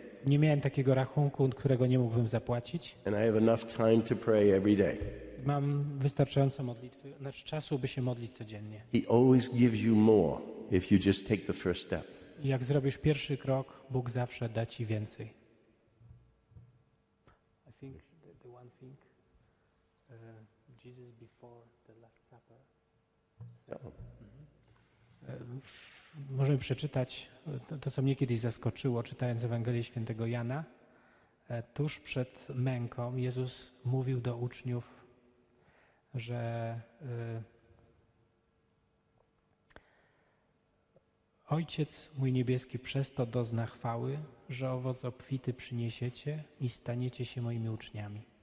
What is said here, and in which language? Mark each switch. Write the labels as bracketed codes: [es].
[pl] Nie miałem takiego rachunku, którego nie mógłbym zapłacić. [en] And I have enough time to pray every day. [pl] Mam wystarczająco modlitwy, znaczy czasu, by się modlić codziennie. [en] He always gives you more if you just take the first step. [pl] Jak zrobisz pierwszy krok, Bóg zawsze da ci więcej. [en] I think the one thing Jesus before the last supper said. [pl] Możemy przeczytać to, co mnie kiedyś zaskoczyło, czytając Ewangelię Świętego Jana. Tuż przed męką Jezus mówił do uczniów, że Ojciec mój niebieski przez to dozna chwały, że owoc obfity przyniesiecie i staniecie się moimi uczniami.